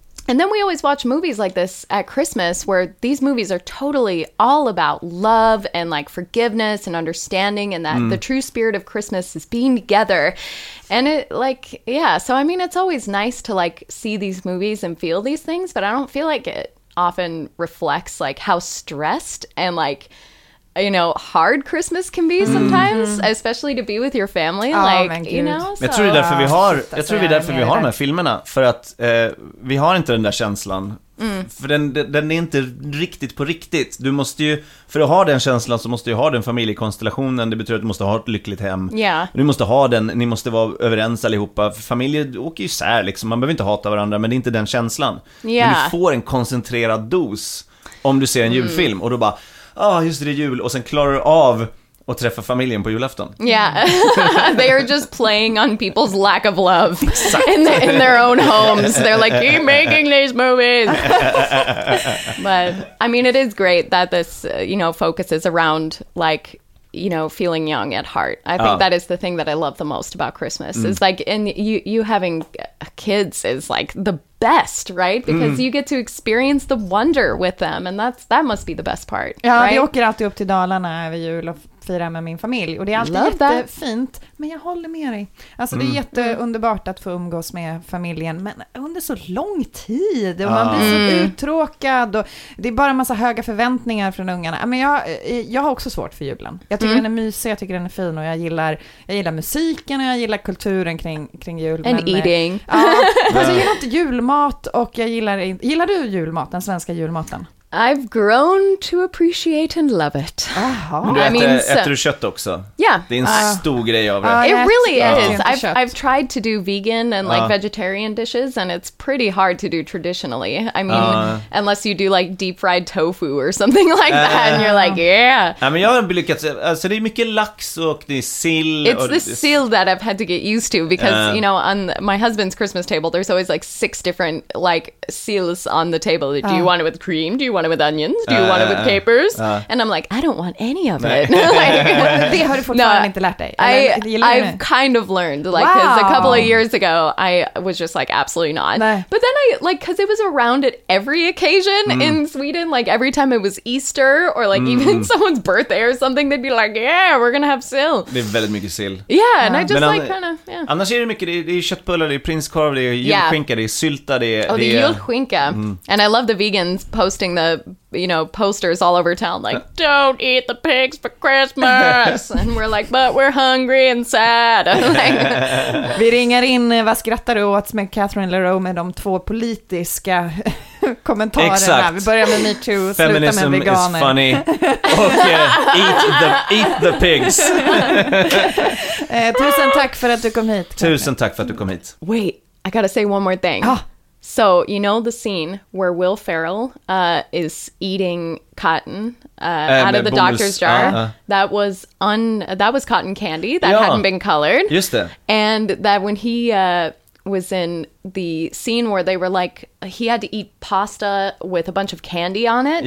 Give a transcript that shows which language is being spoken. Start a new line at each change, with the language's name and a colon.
English: And then we always watch movies like this at Christmas where these movies are totally all about love and, like, forgiveness and understanding and that the true spirit of Christmas is being together. And it, like, yeah. So, I mean, it's always nice to, like, see these movies and feel these things, but I don't feel like it often reflects, like, how stressed and, like, you know, hard Christmas can be sometimes, especially to be with your family. Oh, like, you know, so.
Swedish: Jag tror det är därför vi har, jag tror det är därför vi har de här filmerna, för att vi har inte den där känslan. För den är inte riktigt på riktigt. Du måste ju, för att ha den känslan så måste du ha den familjekonstellationen. Det betyder att du måste ha ett lyckligt hem.
English: Yeah.
Swedish: Du måste ha den, ni måste vara överens allihopa. För familjer åker ju sär liksom. Man behöver inte hata varandra, men det är inte den känslan.
English: Yeah.
Swedish: Men du får en koncentrerad dos om du ser en julfilm och då bara, ja, oh, just det, jul. Och sen klarar du av att träffa familjen på julafton.
English: Yeah. They are just playing on people's lack of love in their own homes. They're like, keep making these movies. But, I mean, it is great that this, you know, focuses around, like, you know, feeling young at heart. I think that is the thing that I love the most about Christmas. Is like, and you having kids is like the best, right? Because you get to experience the wonder with them, and that must be the best part.
Swedish: Ja,
English: right?
Swedish: Vi åker alltid upp till Dalarna över jul och firar med min familj, och det är alltid jättefint. Men jag håller med dig. Alltså, det är jätteunderbart att få umgås med familjen, men under så lång tid, och man blir så uttråkad, och det är bara en massa höga förväntningar från ungarna. Men jag har också svårt för julen. Jag tycker den är mysig, jag tycker den är fin, och jag gillar musiken, och jag gillar kulturen kring jul.
English: And eating.
Swedish: Alltså, jag gillar inte julmat, och jag gillar inte. Gillar du julmat, den svenska julmaten?
English: I've grown to appreciate and love it. Aha. I mean,
Swedish: äter du kött också?
English: Yeah.
Swedish: Det är en stor grej av
English: det. It really is. I've tried to do vegan and like vegetarian dishes, and it's pretty hard to do traditionally. I mean, unless you do like deep fried tofu or something like that, and you're like, yeah. I mean,
Swedish: jag har lyckats. Alltså, det är mycket lax och det är sill.
English: It's the sill that I've had to get used to, because you know, on my husband's Christmas table, there's always like six different like sills on the table. Do you want it with cream? Do you want it with onions? Do you want it with capers? And I'm like, I don't want any of it.
Swedish: Det har du fortfarande inte lärt dig.
English: I've kind of learned, like, because a couple of years ago, I was just like, absolutely not. But then I, like, because it was around at every occasion in Sweden, like, every time it was Easter or, like, even someone's birthday or something, they'd be like, yeah, we're gonna have sill.
Swedish: Det är väldigt mycket sill.
English: Yeah, and I just, like, kind of, yeah.
Swedish: Annars är det mycket, det är köttbullar, det är prinskorv, det är julskinka, det är sylta, det är...
English: Oh, the julskinka. And I love the vegans posting the you know, posters all over town, like, don't eat the pigs for Christmas. And we're like, but we're hungry and sad.
Swedish: Vi ringer in vad skrattar du åt med Catherine Leroux med de två politiska kommentarerna. Exakt. Vi börjar med MeToo och slutar
English: feminism
Swedish: med veganer.
English: Feminism is funny.
Swedish: Och
English: eat the pigs.
Swedish: Tusen tack för att du kom hit. Carmen. Tusen tack för att du kom hit.
English: Wait, I gotta say one more thing. Ah. So, you know the scene where Will Ferrell is eating cotton out of the doctor's jar? That was cotton candy that hadn't been colored.
Swedish: Just det.
English: And that when he was in the scene where they were like, he had to eat pasta with a bunch of candy on it